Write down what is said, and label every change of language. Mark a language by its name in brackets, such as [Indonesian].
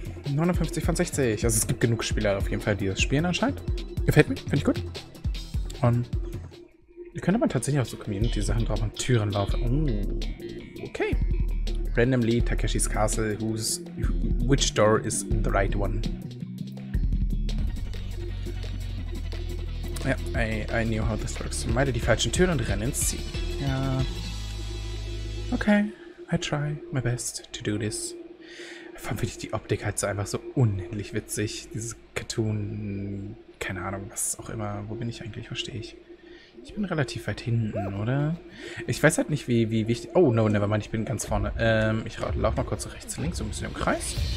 [German] 59 von 60. Also es gibt genug Spieler auf jeden Fall, die das spielen anscheinend. Gefällt mir, finde ich gut. Und Hier könnte man tatsächlich auch so Community-Sachen drauf und Türen laufen. Oh, okay. [English] Randomly, Takeshis Castle, which door is the right one? Ja, I knew how this works. [German] Meide die falschen Türen und renne ins Ziel. Ja. [English] Okay, I try my best to do this. [German] Vor allem finde ich die Optik halt so einfach so unendlich witzig. Dieses Cartoon, keine Ahnung, was auch immer. Wo bin ich eigentlich? Verstehe ich. Ich bin relativ weit hinten, oder? Ich weiß halt nicht, wie wichtig. Oh, [English] no, never mind, [German] ich bin ganz vorne. Ich laufe mal kurz rechts, links, so ein bisschen im Kreis.